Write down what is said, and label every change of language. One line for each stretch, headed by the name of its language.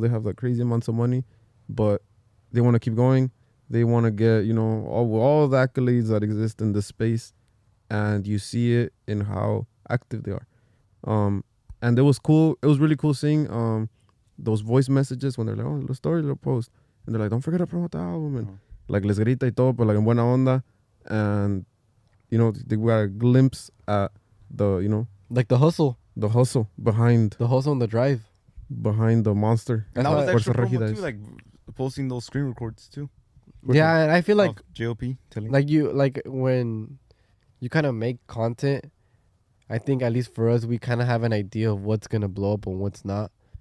English: They have like crazy amounts of money, but they want to keep going. They want to get, you know, all the accolades that exist in this space. And you see it in how active they are. And it was cool. It was really cool seeing those voice messages when they're like, oh, little story, little post. And they're like, don't forget to promote the album. And like,
Spanish: les grita y todo, pero like en buena onda.
English: And, you know, they got a glimpse at the, you know. Like the hustle. The hustle behind. The hustle and the drive. Behind the monster. And that was extra promo too, like posting those screen records too. Yeah, and I feel like JOP telling. Like you, like when you kind of make content, I think at least for us, we kind of have an idea of what's going to blow up and what's not.